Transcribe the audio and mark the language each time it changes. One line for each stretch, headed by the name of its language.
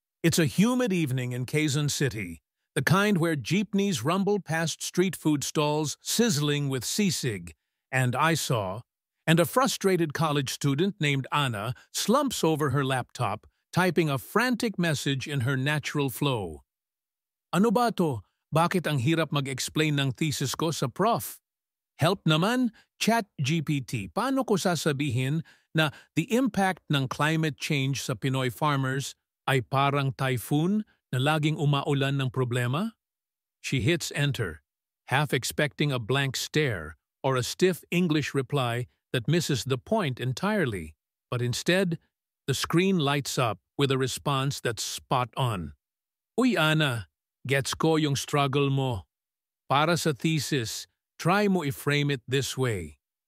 English: It's a humid evening in Quezon City, the kind where jeepneys rumble past street food stalls sizzling with sisig and isaw, and a frustrated college student named Anna slumps over her laptop, typing a frantic message in her natural flow.
Filipino: Ano ba to? Bakit ang hirap mag-explain ng thesis ko sa prof? Help naman, ChatGPT. Paano ko sasabihin na
English: the impact
Filipino: ng
English: climate change
Filipino: sa Pinoy farmers ay parang typhoon na laging umaulan ng problema?
English: She hits enter, half expecting a blank stare or a stiff English reply that misses the point entirely. But instead, the screen lights up with a response that's spot on.
Filipino: Uy, Anna, gets ko yung struggle mo. Para sa thesis, try mo i-frame
English: it this way.